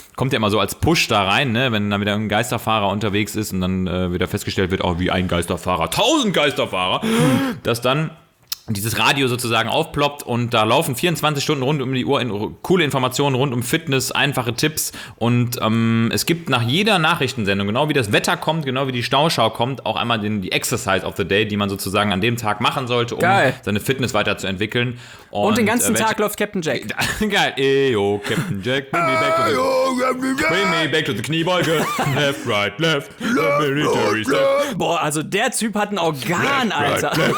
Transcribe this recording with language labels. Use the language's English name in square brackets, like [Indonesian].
[German] Kommt ja immer so als Push da rein, ne? Wenn dann wieder ein Geisterfahrer unterwegs ist und dann wieder festgestellt wird, oh, wie ein Geisterfahrer, 1000 Geisterfahrer, dass dann dieses Radio sozusagen aufploppt und da laufen 24 Stunden rund um die Uhr coole Informationen rund um Fitness, einfache Tipps und es gibt nach jeder Nachrichtensendung, genau wie das Wetter kommt, genau wie die Stauschau kommt, auch einmal die Exercise of the Day, die man sozusagen an dem Tag machen sollte, um seine Fitness weiterzuentwickeln. Und den ganzen Tag läuft Captain Jack. Geil. [English] Eyo, Captain Jack, bring me back to the bring me back to the Kniebeuge. Left, right, left, the military step. [German] Boah, also der Typ hat ein Organ, Alter.